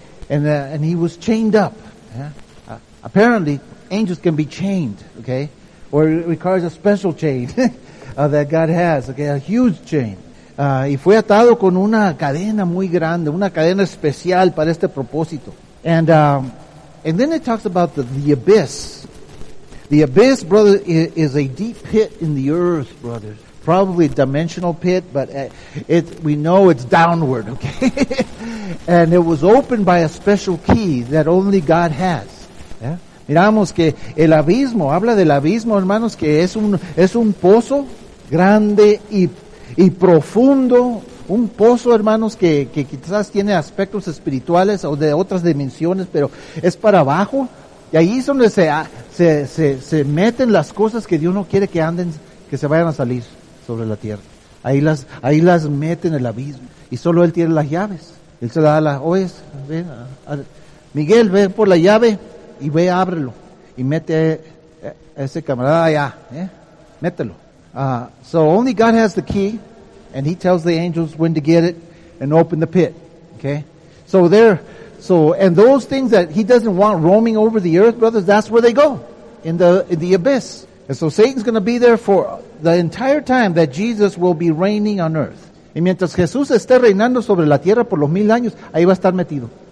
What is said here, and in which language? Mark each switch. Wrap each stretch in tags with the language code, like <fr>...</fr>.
<en>And he was chained up. Yeah? Apparently, angels can be chained, okay? Or it requires a special chain that God has, okay? A huge chain.</en> <es>Y fue atado con una cadena muy grande, una cadena especial para este propósito.</es> <en>And then it talks about the abyss. The abyss, brother, is a deep pit in the earth, brothers. Probably a dimensional pit, but we know it's downward, okay? And it was opened by a special key that only God has. Yeah?</en> <es>Miramos que el abismo, habla del abismo, hermanos, que es un pozo grande y profundo. Un pozo, hermanos, que quizás tiene aspectos espirituales o de otras dimensiones, pero es para abajo. Y ahí es donde se meten las cosas que Dios no quiere que anden, que se vayan a salir sobre la tierra. Ahí las meten en el abismo. Y solo Él tiene las llaves. Él se la da oye, ven, Miguel, ve por la llave y ve, ábrelo. Y mete a ese camarada allá, ¿eh? Mételo.</es> <en>So only God has the key. And he tells the angels when to get it and open the pit. Okay? And those things that he doesn't want roaming over the earth, brothers, that's where they go. In the abyss. And so Satan's going to be there for the entire time that Jesus will be reigning on earth.</en> <es>Y mientras Jesús esté reinando sobre la tierra por los mil años, ahí va a estar metido.</es>